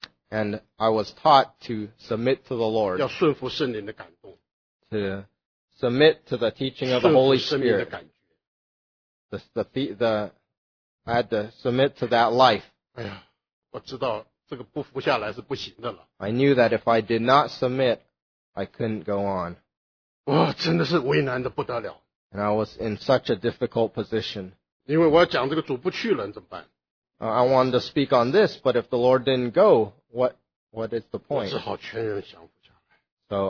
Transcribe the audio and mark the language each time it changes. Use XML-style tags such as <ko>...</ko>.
<en>And I was taught to submit to the Lord. To submit to the teaching of the Holy Spirit. I had to submit to that life. I knew that if I did not submit, I couldn't go on.</en> <zh>哇,真的是为难得不得了。</zh> <en>And I was in such a difficult position.</en> <zh>因为我要讲这个主不去了,怎么办?</zh> <en>I wanted to speak on this, but if the Lord didn't go, what is the point?</en> <zh>我只好全人降服下来。</zh> <en>So</en>